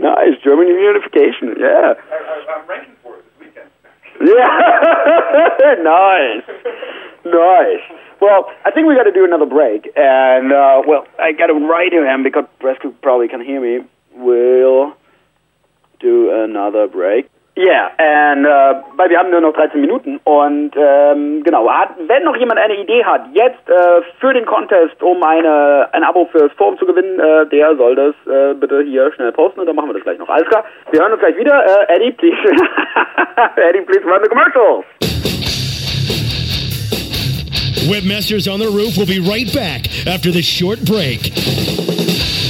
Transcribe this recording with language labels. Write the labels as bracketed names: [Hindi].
[English] Nice German reunification. Yeah. I'm ranking for it this weekend. Yeah. Nice. Well, I think we got to do another break, and I got to write to him because Bresco probably can hear me. We'll do another break. Yeah, and [German] wir haben nur noch 13 Minuten und wenn noch jemand eine Idee hat, jetzt für den Contest, ein Abo fürs Forum zu gewinnen, der soll das bitte hier schnell posten und dann machen wir das gleich noch. Alles klar, wir hören uns gleich wieder. [English] Eddie, please run the commercials. Webmasters on the Roof will be right back after this short break.